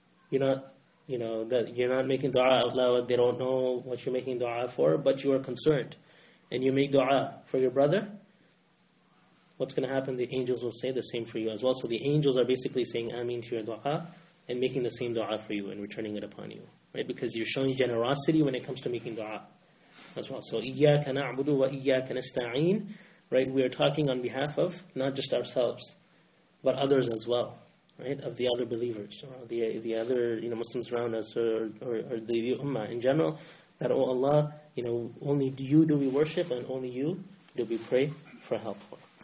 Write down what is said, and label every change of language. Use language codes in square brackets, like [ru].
[en] You're not making dua out loud. They don't know what you're making dua for, but you are concerned. And you make dua for your brother. What's going to happen? The angels will say the same for you as well. So the angels are basically saying ameen to your dua and making the same dua for you and returning it upon you. Right? Because you're showing generosity when it comes to making dua. As well. So [ar] إِيَّاكَ نَعْبُدُ وَإِيَّاكَ نَسْتَعِينَ, [en] right? We are talking on behalf of not just ourselves, but others as well, right? Of the other believers, or the other, you know, Muslims around us, or the ummah in general, that, oh Allah, you know, only you do we worship and only you do we pray for help for.